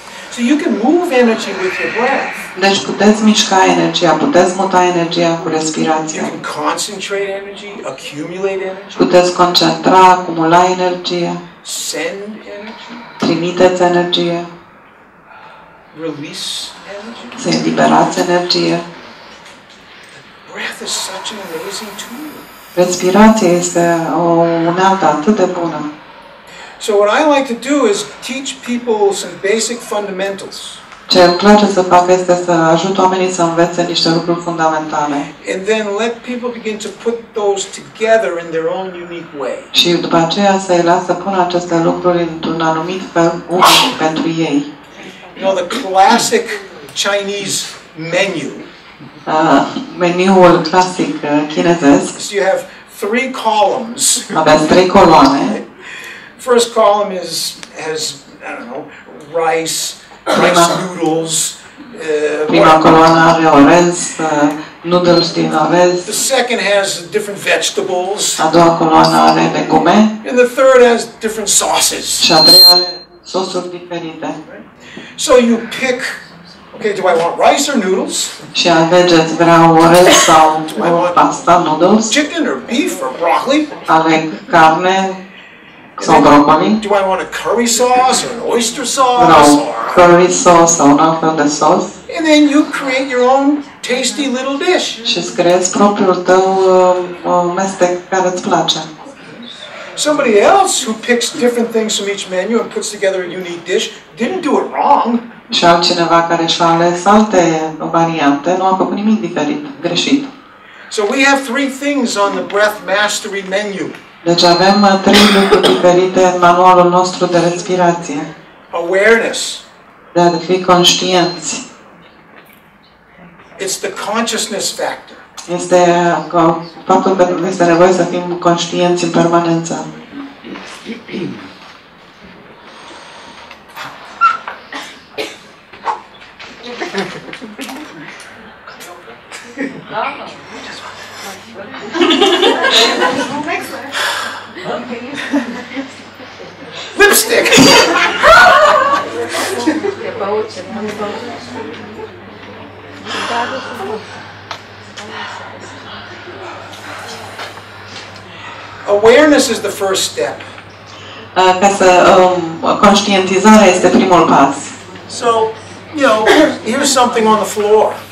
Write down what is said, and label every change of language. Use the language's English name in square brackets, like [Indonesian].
[English] So you can move energy with your breath. [Romanian] Deci puteți mișca energia, puteți muta energia cu respirația. [English] You can concentrate energy, accumulate energy. [Romanian] Puteți concentra, acumula energie. [English] Send energy. [Romanian] Trimiteți energie. [English] Release energy. [Romanian] Să eliberați energie. [English] Breath is such an amazing tool. [Romanian] Respirația este o unealtă atât de bună. [English] So what I like to do is teach people some basic fundamentals. [Romanian] Ce îmi place să fac este să ajut oamenii să învețe niște lucruri fundamentale. [English] And then let people begin to put those together in their own unique way. [Romanian] Și după aceea să îi lasă să pună aceste lucruri într-un anumit fel unic pentru ei. [English] You know, the classic Chinese menu. [Romanian] Meniul clasic chinezesc. [English] So you have three columns. [Romanian] Aveți trei coloane. [English] First column is has I don't know rice, [Romanian] prima, [English] rice noodles. [Romanian] Prima coloană are orez, noodles din orez. [English] The second has different vegetables. [Romanian] A doua coloană are legume. [English] And the third has different sauces. [Romanian] Și a treia are sosuri diferite. [English] So you pick. Okay, do I want rice or noodles? [Romanian] Și alegeți, vreau orez sau pasta, noodles. [English] Chicken or beef or broccoli? [Romanian] Aleg carne. [English] Do I want a curry sauce or an oyster sauce? No, curry sauce or not from the sauce. And then you create your own tasty little dish. [Romanian] Și creezi propriul tău mestec care îți place. [English] Somebody else who picks different things from each menu and puts together a unique dish didn't do it wrong. [Romanian] Și altcineva care și-a ales alte variante nu a făcut nimic diferit, greșit. [English] So we have three things on the Breath Mastery menu. [Romanian] Deci avem trei lucruri diferite în manualul nostru de respirație. [English] Awareness. [Romanian] De a fi conștienți. [English] It's the consciousness factor. [Romanian] Este faptul că este nevoie să fim conștienți în permanență. [English] Lipstick. Yeah, Awareness is the first step. [Romanian] Ca să conștientizarea este primul pas. [English] So, you know, here's something on the floor.